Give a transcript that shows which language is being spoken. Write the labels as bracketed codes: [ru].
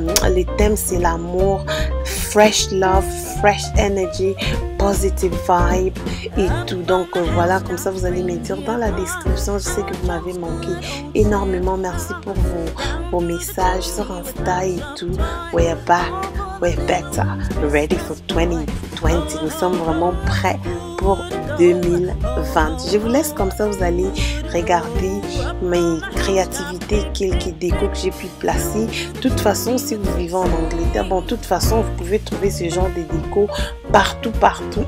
[fr] Les thèmes c'est l'amour, [en] fresh love, fresh energy, positive vibe [fr] et tout. Donc voilà, comme ça vous allez me dire dans la description. Je sais que vous m'avez manqué énormément. Merci pour vos messages sur Insta et tout. [en] We're back, we're better, ready for 2020. [fr] Nous sommes vraiment prêts pour 2020. Je vous laisse comme ça, vous allez regarder mes créativités, quelques décos que j'ai pu placer. De toute façon, si vous vivez en Angleterre, bon, de toute façon, vous pouvez trouver ce genre de déco partout, partout.